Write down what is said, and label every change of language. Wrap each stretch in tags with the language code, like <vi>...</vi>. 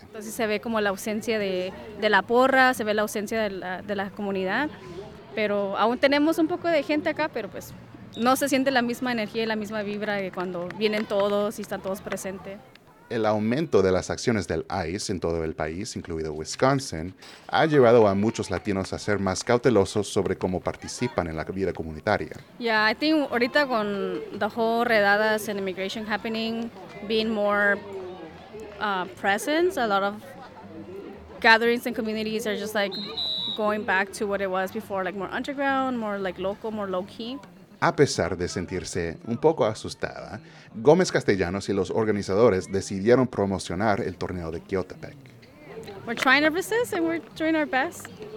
<es>Entonces se ve como la ausencia de la porra, se ve la ausencia de la comunidad, pero aún tenemos un poco de gente acá, pero pues no se siente la misma energía y la misma vibra que cuando vienen todos y están todos presentes. El aumento de las acciones del ICE en todo el país, incluido Wisconsin, ha llevado a muchos latinos a ser más cautelosos sobre cómo participan en la vida comunitaria.</es> <en>Yeah, I think ahorita con the whole redadas and immigration happening, being more present, a lot of gatherings and communities are just like going back to what it was before, like more underground, more like local, more low key.</en> <es>A pesar de sentirse un poco asustada, Gómez Castellanos y los organizadores decidieron promocionar el torneo de Keotepec.</es> <en>We're trying to resist and we're doing our best.</en>